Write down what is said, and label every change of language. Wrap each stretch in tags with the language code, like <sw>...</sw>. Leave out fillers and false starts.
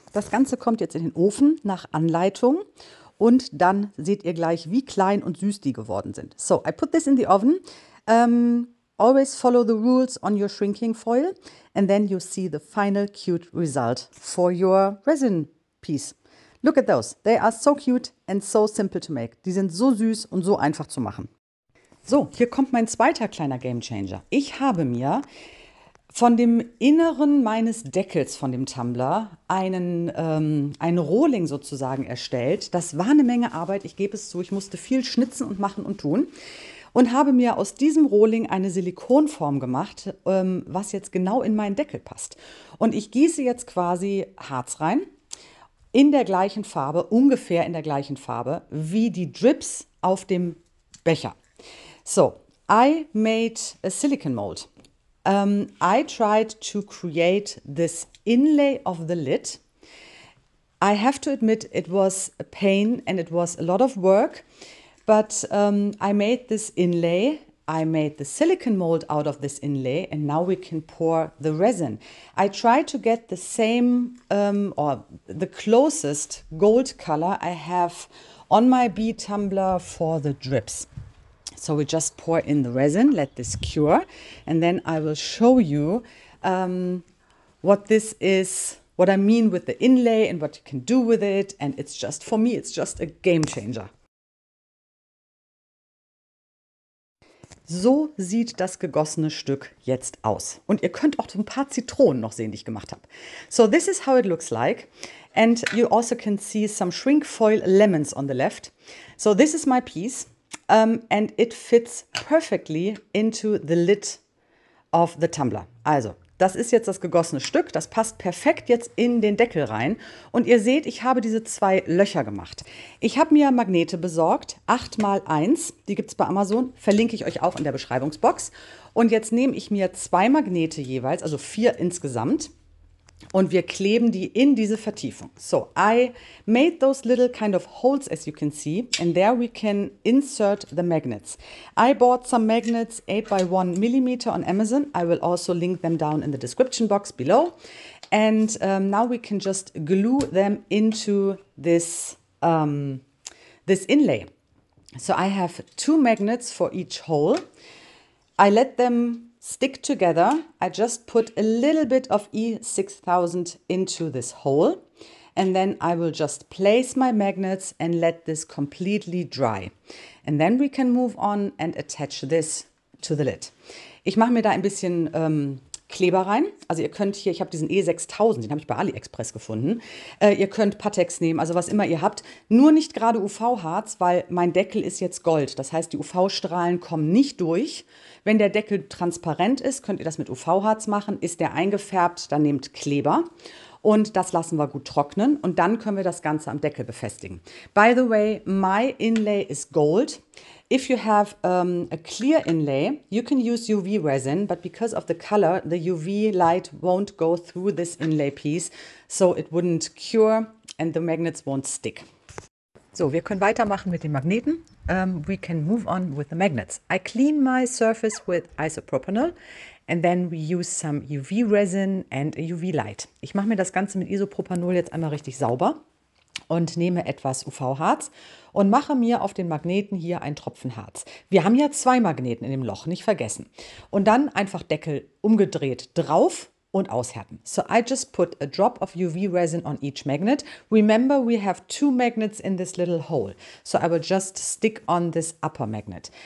<de>Ganze kommt jetzt in den Ofen nach Anleitung. Und dann seht ihr gleich, wie klein und süß die geworden sind.</de> <en>So, I put this in the oven. Always follow the rules on your shrinking foil. And then you see the final cute result for your resin piece. Look at those. They are so cute and so simple to make.</en> <de>Die sind so süß und so einfach zu machen. So, hier kommt mein zweiter kleiner Game Changer. Ich habe mir von dem Inneren meines Deckels, von dem Tumbler, ein Rohling sozusagen erstellt. Das war eine Menge Arbeit, ich gebe es zu. Ich musste viel schnitzen und machen und tun. Und habe mir aus diesem Rohling eine Silikonform gemacht, was jetzt genau in meinen Deckel passt. Und ich gieße jetzt quasi Harz rein, in der gleichen Farbe, ungefähr in der gleichen Farbe, wie die Drips auf dem Becher.</de> <en>So, I made a silicon mold. I tried to create this inlay of the lid. I have to admit, it was a pain and it was a lot of work, but I made this inlay. I made the silicon mold out of this inlay, and now we can pour the resin. I try to get the same or the closest gold color I have on my bead tumbler for the drips. So we just pour in the resin, let this cure, and then I will show you what this is, what I mean with the inlay and what you can do with it. And it's just for me, it's just a game changer.</en> <de>So sieht das gegossene Stück jetzt aus. Und ihr könnt auch so ein paar Zitronen noch sehen, die ich gemacht habe.</de> <en>So, this is how it looks like. And you also can see some shrink foil lemons on the left. So, this is my piece. And it fits perfectly into the lid of the tumbler.</en> <de>Also, das ist jetzt das gegossene Stück. Das passt perfekt jetzt in den Deckel rein. Und ihr seht, ich habe diese zwei Löcher gemacht. Ich habe mir Magnete besorgt, 8x1. Die gibt es bei Amazon. Verlinke ich euch auch in der Beschreibungsbox. Und jetzt nehme ich mir zwei Magnete jeweils, also vier insgesamt. Und wir kleben die in diese Vertiefung.</de> <en>So, I made those little kind of holes, as you can see. And there we can insert the magnets. I bought some magnets 8x1 mm on Amazon. I will also link them down in the description box below. And now we can just glue them into this inlay. So I have two magnets for each hole. I let them stick together. I just put a little bit of E6000 into this hole and then I will just place my magnets and let this completely dry. And then we can move on and attach this to the lid.</en> <de>Ich mache mir da ein bisschen Kleber rein. Also ihr könnt hier, ich habe diesen E6000, den habe ich bei AliExpress gefunden. Ihr könnt Patex nehmen, also was immer ihr habt. Nur nicht gerade UV-Harz, weil mein Deckel ist jetzt Gold. Das heißt, die UV-Strahlen kommen nicht durch. Wenn der Deckel transparent ist, könnt ihr das mit UV-Harz machen. Ist der eingefärbt, dann nehmt Kleber. Und das lassen wir gut trocknen. Und dann können wir das Ganze am Deckel befestigen.</de> <en>By the way, my inlay is gold. If you have a clear inlay, you can use UV resin, but because of the color, the UV light won't go through this inlay piece, so it wouldn't cure and the magnets won't stick.</en> <de>So, wir können weitermachen mit den Magneten.</de> <en>We can move on with the magnets. I clean my surface with isopropanol and then we use some UV resin and a UV light.</en> <de>Ich mache mir das Ganze mit Isopropanol jetzt einmal richtig sauber. Und nehme etwas UV-Harz und mache mir auf den Magneten hier einen Tropfen Harz. Wir haben ja zwei Magneten in dem Loch, nicht vergessen. Und dann einfach Deckel umgedreht drauf und aushärten.</de> <en>So I just put a drop of UV resin on each magnet. Remember, we have two magnets in this little hole. So I will just stick on this upper magnet.</en>